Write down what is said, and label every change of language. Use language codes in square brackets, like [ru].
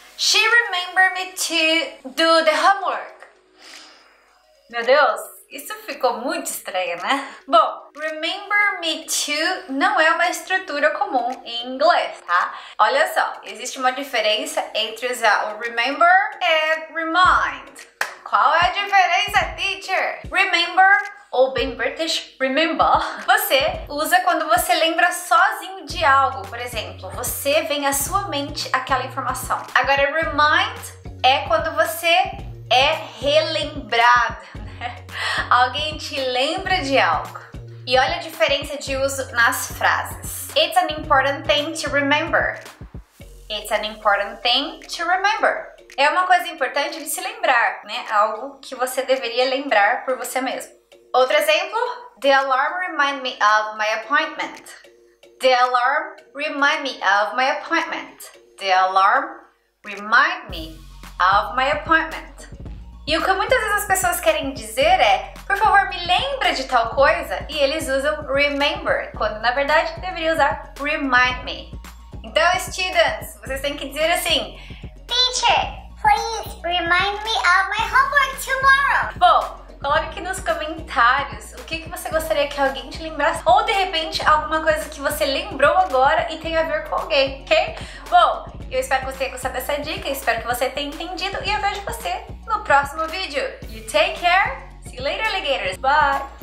[en] She remembered me to do the homework. [pt] Meu Deus, isso ficou muito estranho, né? Bom, remember me to não é uma estrutura comum em inglês, tá? Olha só, existe uma diferença entre usar o remember e remind. Qual é a diferença, teacher? Remember, ou bem British, remember, você usa quando você lembra sozinho de algo. Por exemplo, você vem à sua mente aquela informação. Agora, remind é quando você é relembrado, né? Alguém te lembra de algo. E olha a diferença de uso nas frases. [en] It's an important thing to remember. It's an important thing to remember. [pt] É uma coisa importante de se lembrar, né? Algo que você deveria lembrar por você mesmo. Outro exemplo. [en] The alarm remind me of my appointment. The alarm remind me of my appointment. The alarm remind me of my appointment. [pt] E o que muitas vezes as pessoas querem dizer é: por favor, me lembra de tal coisa. E eles usam remember, quando na verdade deveria usar remind me. Então, students, vocês têm que dizer assim: [en] teacher, please remind me of my homework tomorrow. [pt] Bom, coloque aqui nos comentários o que você gostaria que alguém te lembrasse. Ou, de repente, alguma coisa que você lembrou agora e tem a ver com alguém, ok? Bom, eu espero que você tenha gostado dessa dica, espero que você tenha entendido. E eu vejo você no próximo vídeo. [en] You take care. See you later, alligators. Bye.